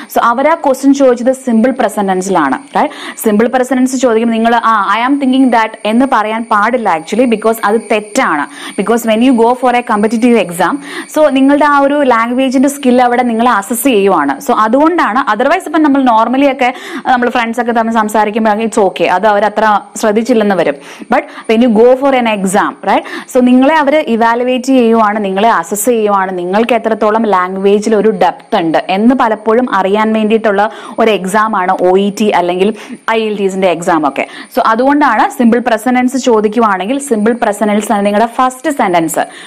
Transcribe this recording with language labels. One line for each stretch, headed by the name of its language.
Malayalam: So അവർ ആ question ചോദിച്ചത് simple പ്രസന്റൻസിലാണ്, right. Simple present tense ചോദിക്കുമ്പോൾ നിങ്ങൾ
English: I am thinking that
Malayalam: എന്ന് പറയാൻ പാടില്ല ആക്ച്വലി, ബിക്കോസ് അത് തെറ്റാണ്.
English: because when you go for a competitive exam,
Malayalam: so നിങ്ങളുടെ ആ ഒരു ലാംഗ്വേജിന്റെ സ്കിൽ അവിടെ നിങ്ങൾ അസസ് ചെയ്യുവാണ്. സോ അതുകൊണ്ടാണ്. അതർവൈസ് ഇപ്പം നമ്മൾ നോർമലി ഒക്കെ നമ്മൾ ഫ്രണ്ട്സ് ഒക്കെ തമ്മിൽ സംസാരിക്കുമ്പോൾ
English: it's okay,
Malayalam: അത് അവരത്ര ശ്രദ്ധിച്ചില്ലെന്ന് വരും.
English: But when you go for an exam, right?
Malayalam: So, നിങ്ങളെ അവർ ഇവാലുവേറ്റ് ചെയ്യുവാണ്, നിങ്ങളെ അസസ് ചെയ്യുവാണ് നിങ്ങൾക്ക് എത്രത്തോളം ലാംഗ്വേജിൽ ഒരു ഡെപ്ത് ഉണ്ട് എന്ന് പലപ്പോഴും അറിയാൻ വേണ്ടിയിട്ടുള്ള ഒരു എക്സാമാണ് OET അല്ലെങ്കിൽ IELTS എക്സാം ഒക്കെ. സോ അതുകൊണ്ടാണ് സിമ്പിൾ പ്രസന്റൻസ് ചോദിക്കുവാണെങ്കിൽ സിമ്പിൾ പ്രസന്റൻസ് ആണ് നിങ്ങളുടെ ഫസ്റ്റ് സെന്റൻസ്.